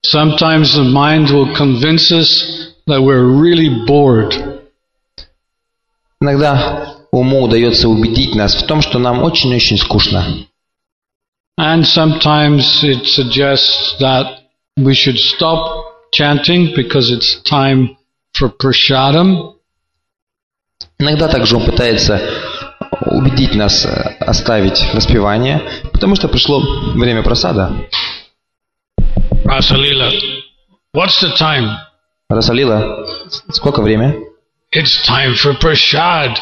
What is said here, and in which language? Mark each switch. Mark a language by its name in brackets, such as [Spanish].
[English] Sometimes the mind will convince us that we're really bored. [Russian] Иногда уму удается убедить нас в том, что нам очень-очень скучно. [English] And sometimes it suggests that we should stop chanting because it's time for prasadam. [Russian] Иногда также он пытается убедить нас оставить распевание, потому что пришло время просада. [English] Rasalila, what's the time? [Russian] Rasalila, сколько время? [English] It's time for prasad.